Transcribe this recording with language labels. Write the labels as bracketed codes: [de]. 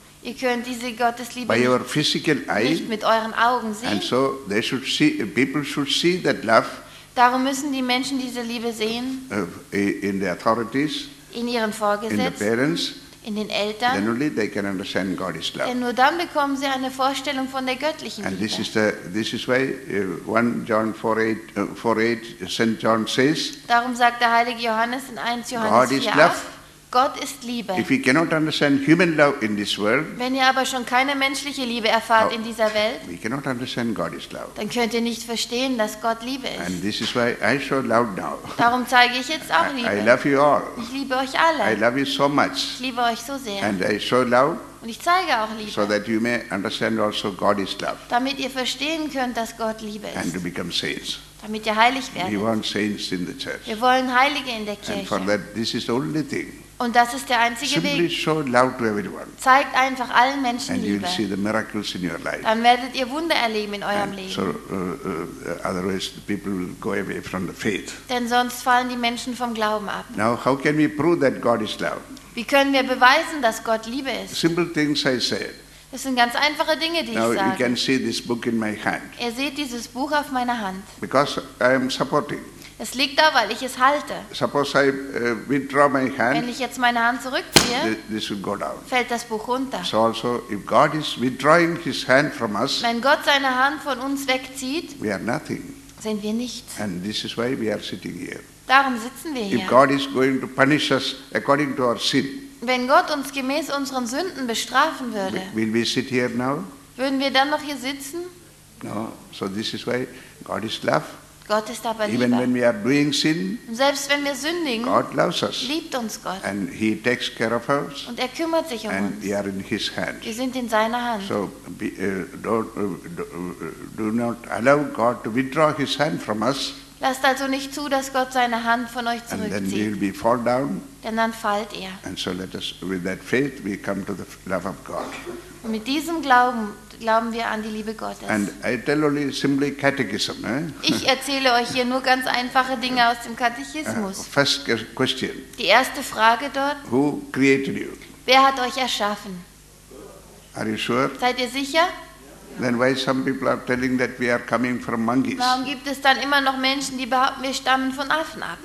[de] Ihr könnt diese Gottesliebe nicht mit euren Augen sehen. [en] And so they should see, people should see that love. [de] Darum müssen die Menschen diese Liebe sehen. [en] In the authorities, [de] in ihren Vorgesetzten, [en] in the parents, [de] in den Eltern. [en] Then only they can understand God is love. [de] Denn nur dann bekommen sie eine Vorstellung von der göttlichen [en] and [de] Liebe. [en] And this is why 1 John 4:8 Saint John says. [de] Darum sagt der heilige Johannes in 1 Johannes [en] 4:8. God is love. [de] Gott ist Liebe. [en] If we cannot understand human love in this world, [de] wenn ihr aber schon keine menschliche Liebe erfahrt in dieser Welt, [en] we cannot understand God is love. [de] Dann könnt ihr nicht verstehen, dass Gott Liebe ist. [en] And this is why I show love now. [de] Darum zeige ich jetzt auch Liebe. [en] I love you all. [de] Ich liebe euch alle. [en] I love you so much. [de] Ich liebe euch so sehr. [en] And I show love, [de] und ich zeige auch Liebe, [en] so that you may understand also God is love. [de] Damit ihr verstehen könnt, dass Gott Liebe ist. [en] And to become saints. [de] Damit ihr heilig werdet. [en] We want saints in the church. [de] Wir wollen Heilige in der Kirche. [en] And for that, this is the only thing. [de] Und das ist der einzige [en] simply [de] Weg. [en] Show love to everyone. [de] Zeigt einfach allen Menschen [en] and [de] Liebe. [en] See the miracles in your life. [de] Dann werdet ihr Wunder erleben in eurem [en] and [de] Leben. [en] So, otherwise the people will go away from the faith. [de] Denn sonst fallen die Menschen vom Glauben ab. [en] Now, how can we prove that God is love? [de] Wie können wir beweisen, dass Gott Liebe ist? [en] Simple things I said. [de] Das sind ganz einfache Dinge, die [en] now [de] ich sage. [en] You can see this book in my hand. [de] Ihr seht dieses Buch auf meiner Hand. [en] Because I am supporting. [de] Es liegt da, weil ich es halte. [en] Suppose I withdraw my hand, [de] wenn ich jetzt meine Hand zurückziehe, [en] this will go down. [de] Fällt das Buch runter. [en] So also, if God is withdrawing his hand from us, [de] wenn Gott seine Hand von uns wegzieht, [en] we are nothing. [de] Sind wir nichts. [en] And this is why we are sitting here. [de] Darum sitzen wir hier. [en] If God is going to punish us according to our sin, [de] wenn Gott uns gemäß unseren Sünden bestrafen würde, [en] will we sit here now? [de] Würden wir dann noch hier sitzen? [en] No. So this is why God is love. [de] Gott ist aber Liebe. [en] Even when we are doing sin, [de] selbst wenn wir sündigen, [en] God loves us. [de] Liebt uns Gott. [en] And he takes care of us, [de] und er kümmert sich um [en] and [de] uns. [en] We are in his hand. [de] Wir sind in seiner Hand. [en] So do not allow God to withdraw his hand from us. [de] Lasst also nicht zu, dass Gott seine Hand von euch zurückzieht. [en] And then we will be fall down. [de] Denn dann fallt er. [en] And so let us, with that faith, we come to the love of God. [de] Und mit diesem Glauben wir an die Liebe Gottes. [en] And I tell only simply catechism, eh? [de] Ich erzähle euch hier nur ganz einfache Dinge aus dem Katechismus. [en] First question. [de] Die erste Frage dort. [en] Who created you? [de] Wer hat euch erschaffen? [en] Are you sure? [de] Seid ihr sicher? [en] Then why some people are telling that we are coming from monkeys? [de] Warum gibt es dann immer noch Menschen, die behaupten, wir stammen von Affen ab?